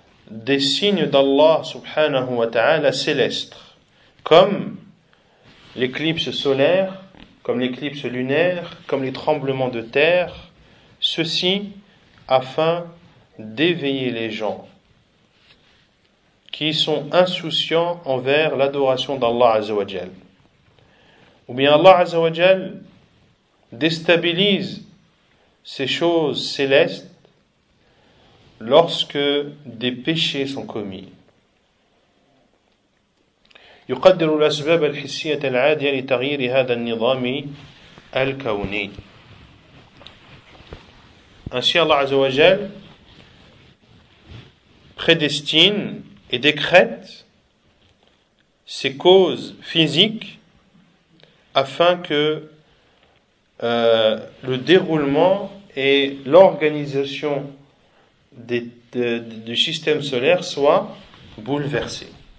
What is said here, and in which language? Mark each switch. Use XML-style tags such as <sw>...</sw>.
<fr>des signes d'Allah subhanahu wa ta'ala célestes, comme l'éclipse solaire, comme l'éclipse lunaire, comme les tremblements de terre, ceci afin d'éveiller les gens qui sont insouciants envers l'adoration d'Allah Azza wa Jal. Ou bien Allah Azza wa Jal déstabilise ces choses célestes lorsque des péchés sont commis.</fr> <ar>يقدر الأسباب الحسية العادية لتغيير هذا النظام الكوني.</ar> <fr>Ainsi Allah Azza wa Jal prédestine et décrète ces causes physiques afin que le déroulement et l'organisation du système solaire soient bouleversés.</fr>